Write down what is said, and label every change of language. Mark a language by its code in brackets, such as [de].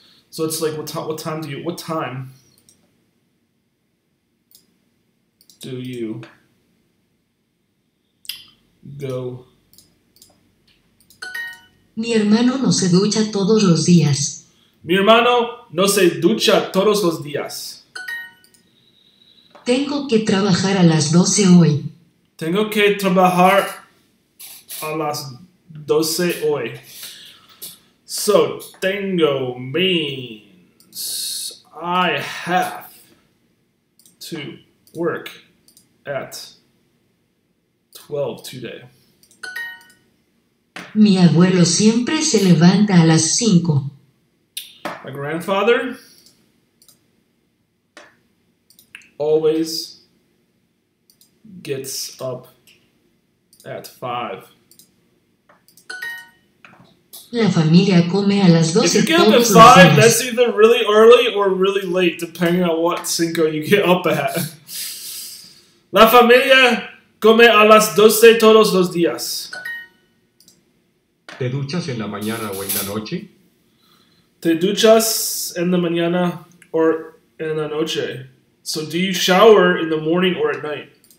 [en] So it's like, what time do you go? [es] Mi hermano no se ducha todos los días. Mi hermano no se ducha todos los días. Tengo que trabajar a las 12 hoy. Tengo que trabajar a las 12 hoy. [en] So, tengo means I have to work at 12 today. [es] Mi abuelo siempre se levanta a las 5. [en] My grandfather always gets up at 5. [es] La familia come a las 12. [en] If you get up at 5, that's either really early or really late, depending on what cinco you get up at. [es] La familia come a las 12 todos los días. ¿Te duchas en la mañana o en la noche? Te duchas en la mañana or en la noche. [en] So do you shower in the morning or at night?